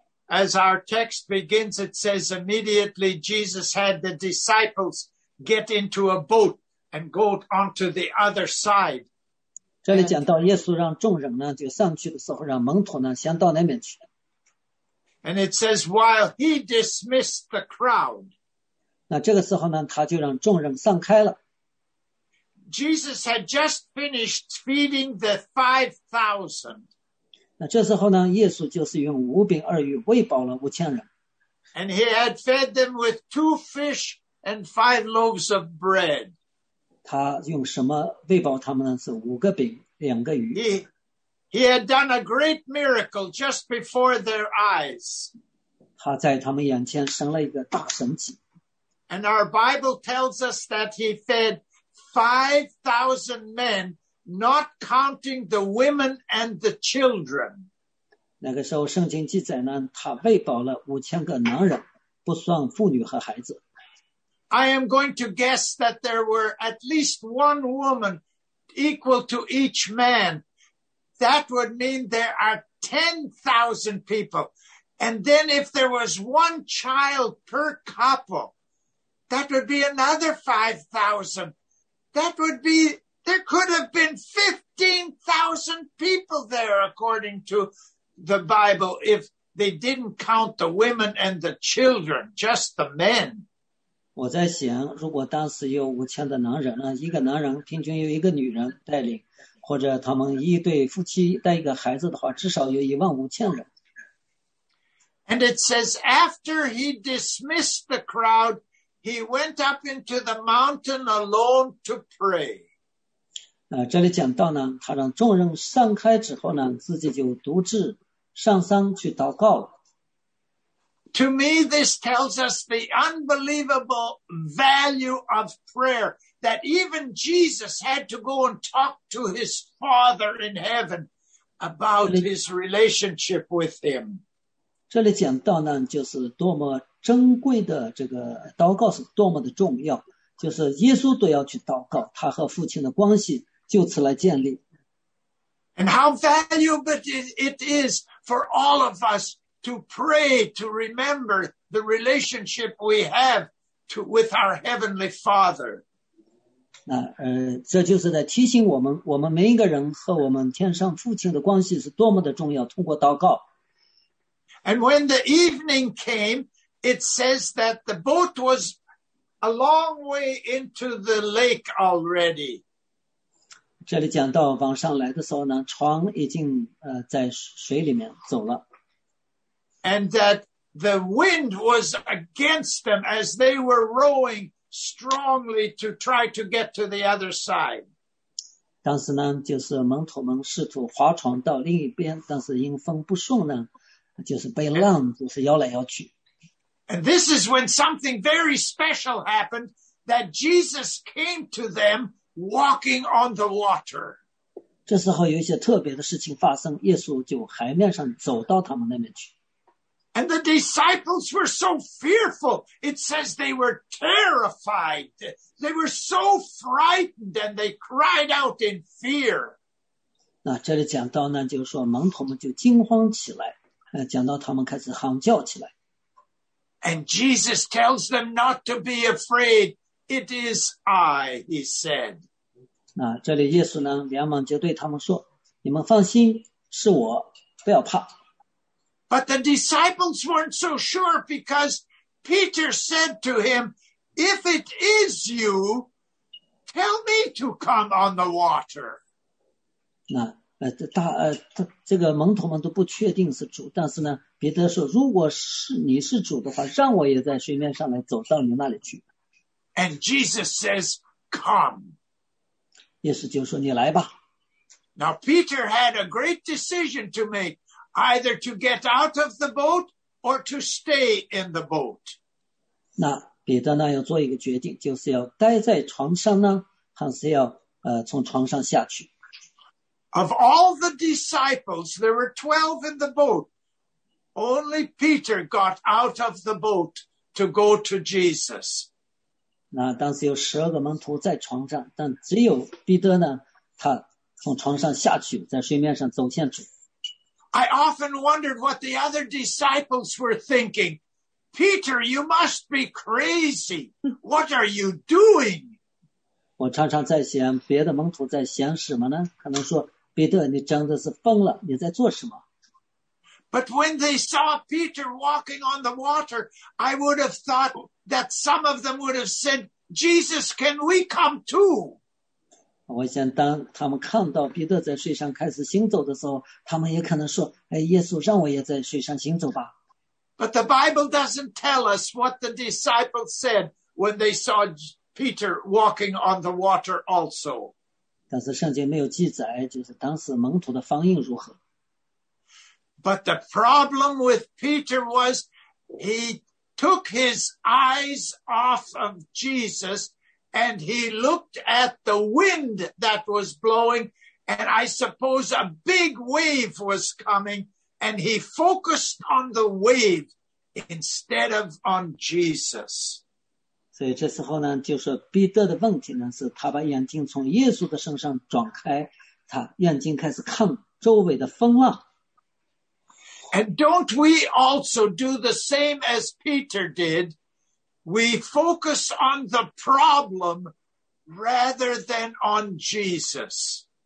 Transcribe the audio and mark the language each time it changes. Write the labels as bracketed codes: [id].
[en] As our text begins, it says immediately Jesus had the disciples get into a boat and go onto the other side. [zh] 这里讲到耶稣让众人呢就上去的时候，让门徒呢先到那边去。 [en] And it says while he dismissed the crowd. [zh] 那这个时候呢，他就让众人散开了。 [en] Jesus had just finished feeding the 5,000. [zh] 那这时候呢，耶稣就是用五饼二鱼喂饱了五千人。 [en] And he had fed them with 2 fish and 5 loaves of bread. [zh] 他用什么喂饱他们呢？是五个饼，两个鱼。 [en] He had done a great miracle just before their eyes. [zh] 他在他们眼前行了一个大神迹。 [en] And our Bible tells us that he fed 5,000 men, not counting the women and the children. [zh] 那个时候圣经记载呢，他喂饱了5,000个男人，不算妇女和孩子。 [en] I am going to guess that there were at least one woman equal to each man. That would mean there are 10,000 people. And then if there was one child per couple, that would be another 5,000. That would be, there could have been 15,000 people there, according to the Bible, if they didn't count the women and the children, just the men. [zh] 我在想，如果当时有五千的男人，一个男人平均有一个女人带领，或者他们一对夫妻带一个孩子的话，至少有15,000人。 [en] And it says, after he dismissed the crowd,He went up into the mountain alone to pray. [zh] 这里讲到呢，他让众人散开之后呢，自己就独自上山去祷告了。 [en] To me, this tells us the unbelievable value of prayer, that even Jesus had to go and talk to his Father in heaven about his relationship with him. [zh] 这里讲到呢，就是多么珍贵的这个祷告是多么的重要，就是耶稣都要去祷告，他和父亲的关系就此来建立。 [en] And how valuable it is for all of us to pray to remember the relationship we have to, with our Heavenly Father. [zh] 这就是在提醒我们，我们每一个人和我们天上父亲的关系是多么的重要，通过祷告。 [en] And when the evening came,It says that the boat was a long way into the lake already. [zh] 这里讲到往上来的时候呢，船已经在水里面走了。 [en] And that the wind was against them as they were rowing strongly to try to get to the other side. [zh] 当时呢，就是门徒们试图划船到另一边，但是因风不顺呢，就是被浪就是摇来摇去。 [en] And this is when something very special happened, that Jesus came to them walking on the water. [zh] 这时候有一些特别的事情发生，耶稣就海面上走到他们那边去。 [en] And the disciples were so fearful, it says they were terrified. They were so frightened and they cried out in fear. [zh] 那这里讲到呢，就是说门徒们就惊慌起来，讲到他们开始喊叫起来。 [en] And Jesus tells them not to be afraid. It is I, he said. [zh] 啊，这里耶稣呢，连忙就对他们说：“你们放心，是我，不要怕。” [en] But the disciples weren't so sure because Peter said to him, "If it is you, tell me to come on the water." [zh] 那这个门徒们都不确定是主，但是呢，彼得说：“如果是你是主的话，让我也在水面上来走到你那里去。” [en] And Jesus says, "Come." [zh] 耶稣就说：“你来吧。” [en] Now Peter had a great decision to make, either to get out of the boat or to stay in the boat. [zh] 那彼得呢，要做一个决定，就是要待在船上呢，还是要从船上下去？ [en] Of all the disciples, there were 12 in the boat. Only Peter got out of the boat to go to Jesus. [zh] 那当时有12个门徒在船上，但只有彼得呢，他从船上下去，在水面上走向主。 [en] I often wondered what the other disciples were thinking. Peter, you must be crazy. What are you doing? [zh] 我常常在想，别的门徒在想什么呢？可能说，彼得，你真的是疯了，你在做什么？ [en] But when they saw Peter walking on the water, I would have thought that some of them would have said, Jesus, can we come too? [zh] 我想当他们看到彼得在水上开始行走的时候，他们也可能说，哎，耶稣，让我也在水上行走吧。 [en] But the Bible doesn't tell us what the disciples said when they saw Peter walking on the water also. [zh] 但是圣经没有记载，就是当时门徒的反应如何。 [en] But the problem with Peter was he took his eyes off of Jesus and he looked at the wind that was blowing and I suppose a big wave was coming and he focused on the wave instead of on Jesus. [zh] 所以这时候呢，就是彼得的问题呢，是他把眼睛从耶稣的身上转开，他眼睛开始看周围的风浪。 [en] And don't we also do the same as Peter did? We focus on the problem rather than on Jesus.